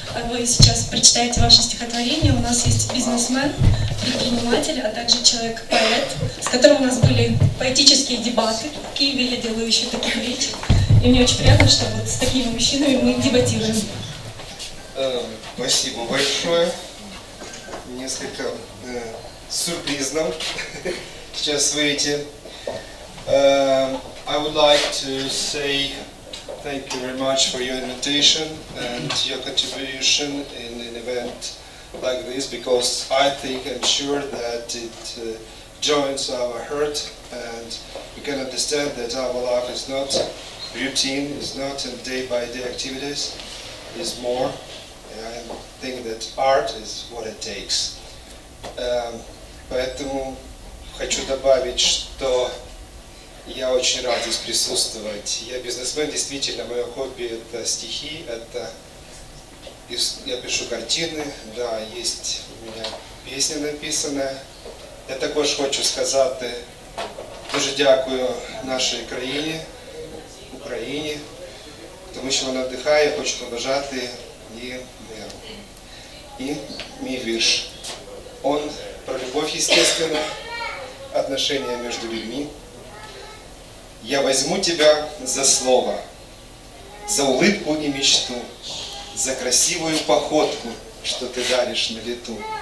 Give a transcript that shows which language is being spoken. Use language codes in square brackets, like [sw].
[ru] Вы сейчас прочитаете ваше стихотворение. У нас есть бизнесмен, предприниматель, а также человек-поэт, с которым у нас были поэтические дебаты. В Киеве я делаю еще такие речи. И мне очень приятно, что вот с такими мужчинами мы дебатируем. Спасибо большое. Несколько сюрпризов сейчас выйти. [en] I would like to say thank you very much for your invitation and your contribution in an event like this, because I think I'm sure that it joins our heart, and we can understand that our life is not routine, is not a day-by-day activities, is more. I think that art is what it takes. [ru] Поэтому хочу добавить, что я очень рад здесь присутствовать. Я бизнесмен, действительно, мое хобби — это стихи, это я пишу картины, да, есть у меня песня написанная. [uk] Я також хочу сказати дуже дякую нашій країні, Україні, тому що вона дихає, хочу побажати її миру. [ru] и Мивиш. Он про любовь, естественно, отношения между людьми. Я возьму тебя за слово, за улыбку и мечту, за красивую походку, что ты даришь на лету.